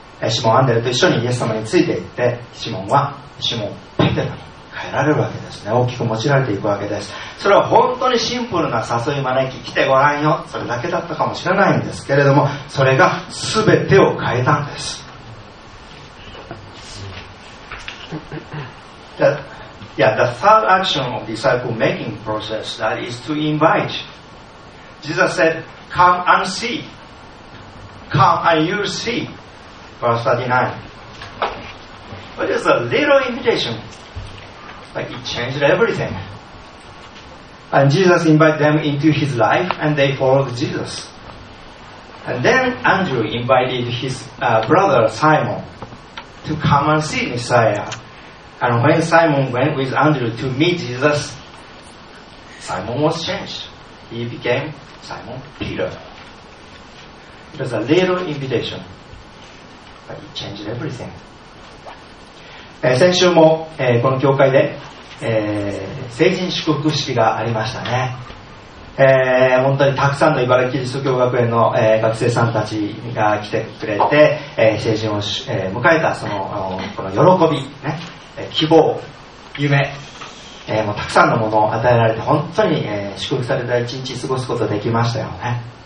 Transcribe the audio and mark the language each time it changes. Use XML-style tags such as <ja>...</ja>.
<ja>シモン、アンデルと一緒にイエス様についていって、シモンペテロに変えられるわけですね。大きく用いられていくわけです。それは本当にシンプルな誘い招き、来てごらんよ、それだけだったかもしれないんですけれども、それが全てを変えたんです。</ja> <en>The third action of disciple making process, that is to invite. Jesus said, come and see, come and you see, verse 39. But it's a little invitation, like it changed everything. And Jesus invited them into his life, and they followed Jesus. And then Andrew invited his brother Simon to come and see Messiah. And when Simon went with Andrew to meet Jesus, Simon was changed. He became Simon Peter. It was a little invitation, but it changed everything.</en> <ja>先週も、この教会で成人祝福式がありましたね。本当にたくさんの茨城キリスト教学園の、学生さんたちが来てくれて、成人を、迎えた、そのこの喜び、ね、希望、夢、もうたくさんのものを与えられて、本当に、祝福された一日過ごすことができましたよね。</ja>